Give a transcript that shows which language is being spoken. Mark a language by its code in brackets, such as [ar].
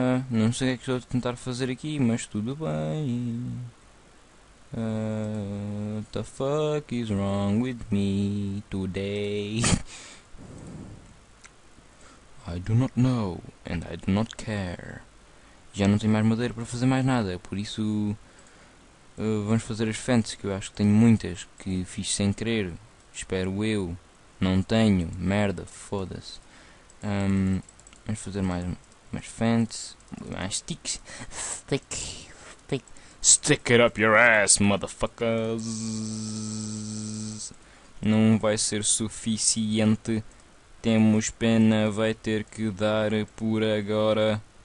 [pt] Não sei o que estou a tentar fazer aqui, mas tudo bem. [en] What the fuck is wrong with me today? I do not know and I do not care. [pt] Já não tenho mais madeira para fazer mais nada, por isso vamos fazer as fences, que eu acho que tenho muitas que fiz sem querer. Espero eu. Não tenho. Merda, foda-se. Vamos fazer mais fences. [en] Mais sticks. Stick. Stick it up your ass, motherfuckers. [pt] Não vai ser suficiente. Temos pena, vai ter que dar por agora.